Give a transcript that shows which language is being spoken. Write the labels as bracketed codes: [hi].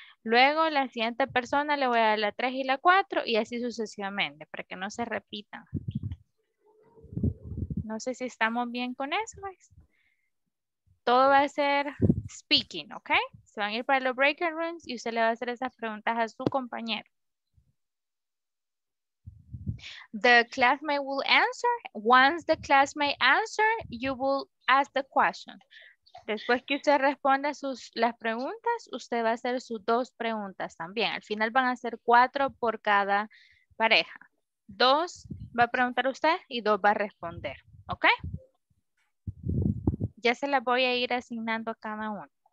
[es] Luego la siguiente persona le voy a dar la 3 y la 4 y así sucesivamente para que no se repitan. No sé si estamos bien con eso, guys. Todo va a ser speaking, ¿ok? Se van a ir para los breakout rooms y usted le va a hacer esas preguntas a su compañero. [en] The classmate will answer. Once the classmate answer, you will ask the question. [es] Después que usted responda las preguntas, usted va a hacer sus dos preguntas también. Al final van a ser 4 por cada pareja. 2 va a preguntar usted y 2 va a responder. ¿Ok? Ya se las voy a ir asignando a cada uno.